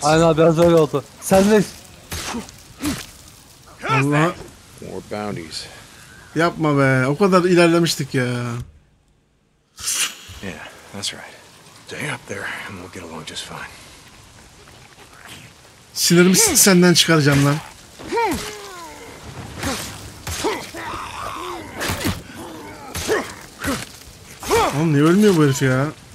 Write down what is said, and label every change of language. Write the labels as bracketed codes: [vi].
[tr] Aynen abi, biraz öyle oldu. Sen ne? [en] Allah. More bounties. [tr] Yapma be, o kadar ilerlemiştik ya. [en] Yeah, that's right. Stay up there and we'll get along just fine. [tr] Sinirimi senden çıkaracağım lan. Oğlum niye ölmüyor bu herif ya?